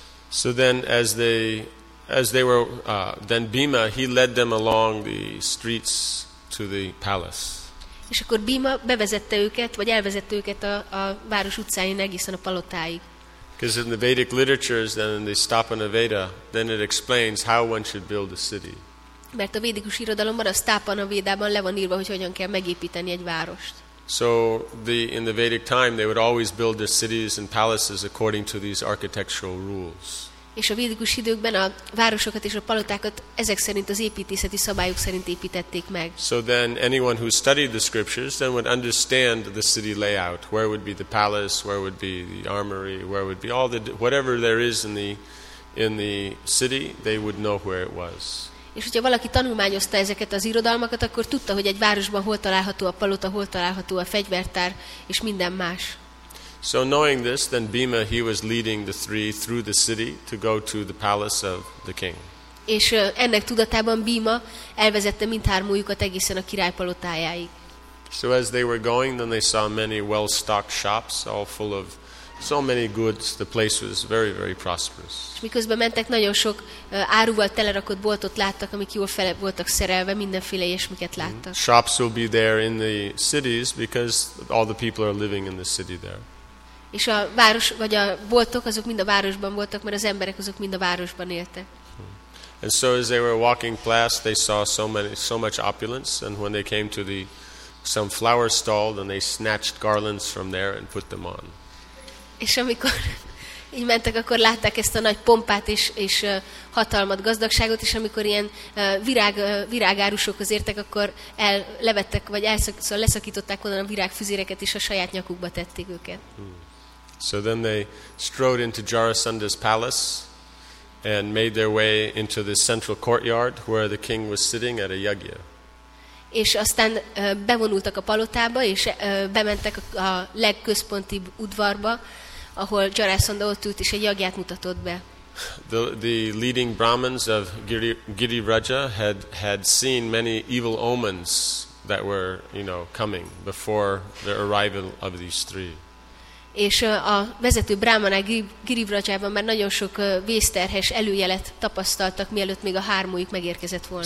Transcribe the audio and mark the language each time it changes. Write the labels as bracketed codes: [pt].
[en] So then as they were then Bhima, he led them along the streets to the palace. [hu] És akkor Bhima bevezette őket, vagy elvezette őket a város utcáin egészen a palotáig. [en] Because in the Vedic literatures, then in the Sthapana Veda, then it explains how one should build a city. [hu] Mert a védikus irodalomban, a Sthapana Védában le van írva, hogy hogyan kell megépíteni egy várost. [en] So in the Vedic time they would always build their cities and palaces according to these architectural rules. [hu] És a védikus időkben a városokat és a palotákat ezek szerint az építészeti szabályok szerint építették meg. [en] So then anyone who studied the scriptures then would understand the city layout, where would be the palace, where would be the armory, where would be all the whatever there is in the city, they would know where it was. [hu] És hogyha valaki tanulmányozta ezeket az irodalmakat, akkor tudta, hogy egy városban hol található a palota, hol található a fegyvertár és minden más. [en] So knowing this, then Bhima, he was leading the three through the city to go to the palace of the king. [hu] És ennek tudatában Bhima elvezette mindhármójukat egészen a király palotájáig. [en] So as they were going, then they saw many well-stocked shops, all full of so many goods, the place was very, very prosperous. [hu] És miközben mentek, nagyon sok áruval telerakott boltot láttak, amik jól fel voltak szerelve, mindenféle ilyesmiket láttak. [en] Shops will be there in the cities because all the people are living in the city there. [hu] És a város vagy a boltok azok mind a városban voltak, mert az emberek azok mind a városban éltek. [en] And so as they were walking past, they saw so much opulence, and when they came to some flower stall, then they snatched garlands from there and put them on. [hu] És amikor így mentek, akkor látták ezt a nagy pompát és hatalmat, gazdagságot, és amikor ilyen virágárusokhoz értek, akkor levettek, vagy leszakították onnan a virágfüzéreket, és a saját nyakukba tették őket. [en] So then they strode into Jarasandha's palace and made their way into the central courtyard where the king was sitting at a yagya. [hu] És aztán bevonultak a palotába, és bementek a legközpontibb udvarba, ahol Jarasandha ott ült, és egy jagját mutatott be. [en] The leading Brahmins of Giriraja had seen many evil omens that were, you know, coming before the arrival of these three. [hu] És a vezető brahmanák Giriraja-ban már nagyon sok vészterhes előjelet tapasztaltak, mielőtt még a hármójuk megérkezett volna.